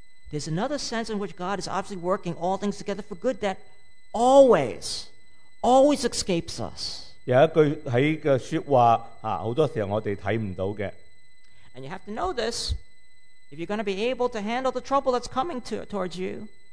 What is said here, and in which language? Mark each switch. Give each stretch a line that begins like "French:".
English: There's another sense in which God is obviously working all things together for good that always. Always escapes us.
Chinese: 有一句在说话，很多时候我们看不到的。
English: And you have to know this if you're going to be able to handle the trouble that's coming towards you.